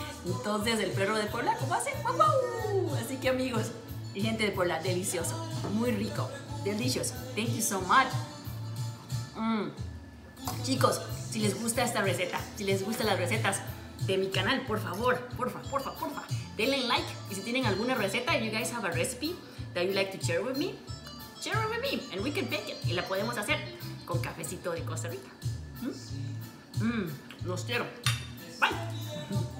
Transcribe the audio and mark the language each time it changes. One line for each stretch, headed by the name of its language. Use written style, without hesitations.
Spanish: Entonces, ¿el perro de Puebla cómo hace? ¡Wow, wow! Así que, amigos y gente de Puebla, delicioso. Muy rico.
English: Delicious. Thank you so much.
Spanish: Chicos, si les gusta esta receta, si les gustan las recetas de mi canal, por favor, porfa, porfa, porfa, denle like. Y si tienen alguna receta,
English: if you guys have a recipe that you like to share with me, and we can bake it.
Spanish: Y la podemos hacer con cafecito de Costa Rica. Los quiero. Bye.